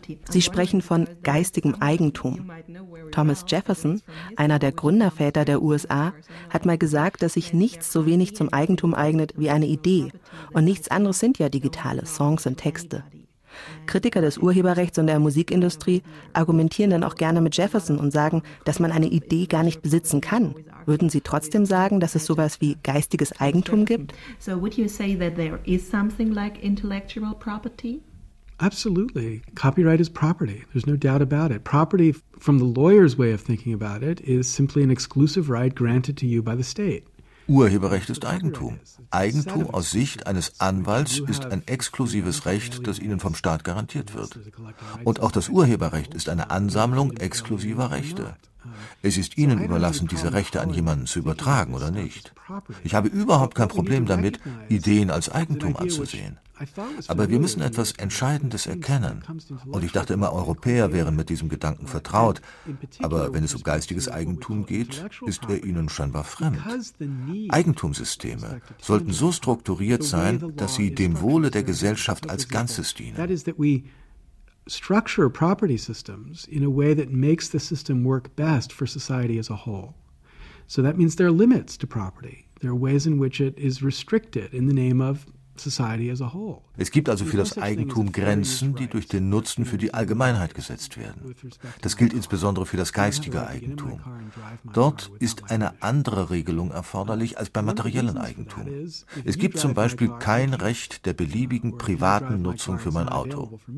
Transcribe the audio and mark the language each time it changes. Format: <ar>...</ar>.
<de>Sie sprechen von geistigem Eigentum. Thomas Jefferson, einer der Gründerväter der USA, hat mal gesagt, dass sich nichts so wenig zum Eigentum eignet wie eine Idee. Und nichts anderes sind ja digitale Songs und Texte. Kritiker des Urheberrechts und der Musikindustrie argumentieren dann auch gerne mit Jefferson und sagen, dass man eine Idee gar nicht besitzen kann. Würden Sie trotzdem sagen, dass es sowas wie geistiges Eigentum gibt?</de> <en>So would you say that there is something like intellectual property? Absolutely. Copyright is property. There's no doubt about it. Property, from the lawyer's way of thinking about it, is simply an exclusive right granted to you by the state.</en> <de>Urheberrecht ist Eigentum. Eigentum aus Sicht eines Anwalts ist ein exklusives Recht, das Ihnen vom Staat garantiert wird. Und auch das Urheberrecht ist eine Ansammlung exklusiver Rechte. Es ist Ihnen überlassen, diese Rechte an jemanden zu übertragen oder nicht. Ich habe überhaupt kein Problem damit, Ideen als Eigentum anzusehen. Aber wir müssen etwas Entscheidendes erkennen. Und ich dachte immer, Europäer wären mit diesem Gedanken vertraut. Aber wenn es um geistiges Eigentum geht, ist er ihnen scheinbar fremd. Eigentumssysteme sollten so strukturiert sein, dass sie dem Wohle der Gesellschaft als Ganzes dienen.</de> <en>Structure property systems in a way that makes the system work best for society as a whole. So that means there are limits to property. There are ways in which it is restricted in the name of society as a whole.</en> <de>Es gibt also für das Eigentum Grenzen, die durch den Nutzen für die Allgemeinheit gesetzt werden. Das gilt insbesondere für das geistige Eigentum. Dort ist eine andere Regelung erforderlich als beim materiellen Eigentum. Es gibt zum Beispiel kein Recht der beliebigen privaten Nutzung für mein Auto.</de>